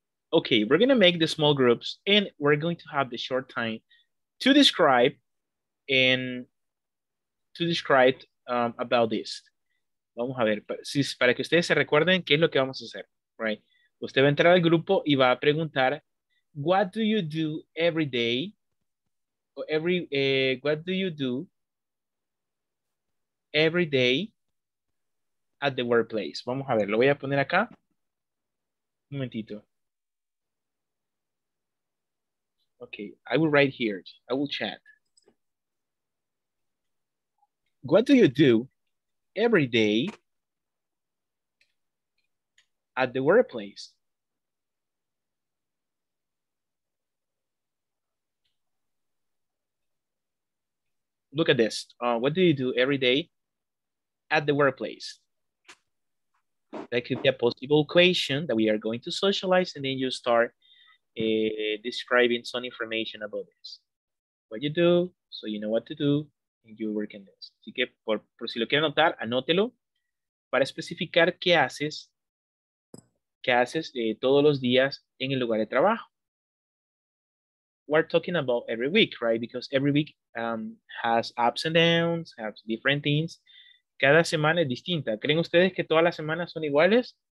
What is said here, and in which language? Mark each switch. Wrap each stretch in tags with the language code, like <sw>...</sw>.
<en>Okay, we're going to make the small groups and we're going to have the short time to describe and to describe about this.</en> <es>Vamos a ver, para que ustedes se recuerden qué es lo que vamos a hacer,</es> <en>right?</en> <es>Usted va a entrar al grupo y va a preguntar,</es> <en>what do you do every day? Or every, what do you do every day at the workplace?</en> <es>Vamos a ver, lo voy a poner acá. Un momentito.</es> <en>Okay, I will write here. I will chat. What do you do every day at the workplace? Look at this. What do you do every day at the workplace? That could be a possible question that we are going to socialize, and then you start describing some information about this. What you do, so you know what to do, and you work in this.</en> <es>Así que, por si lo quiere anotar, anótelo para especificar qué haces todos los días en el lugar de trabajo.</es> <en>We're talking about every week, right? Because every week has ups and downs, has different things.</en> <es>Cada semana es distinta. ¿Creen ustedes que todas las semanas son iguales?</es>